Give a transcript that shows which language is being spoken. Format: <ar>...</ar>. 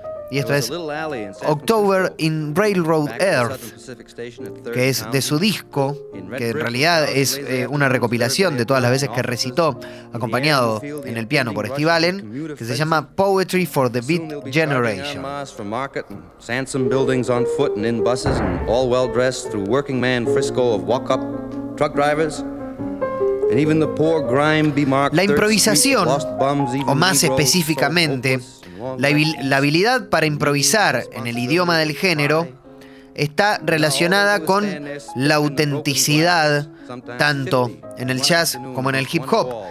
<es>Y esto es October in Railroad Earth, que es de su disco, que en realidad es una recopilación de todas las veces que recitó acompañado en el piano por Steve Allen, que se llama Poetry for the Beat Generation.</es> <en>From market and sansom buildings on foot and in buses and all well dressed through working man Frisco of walk up truck drivers.</en> <es>La improvisación, o más específicamente, la habilidad para improvisar en el idioma del género, está relacionada con la autenticidad, tanto en el jazz como en el hip hop.</es>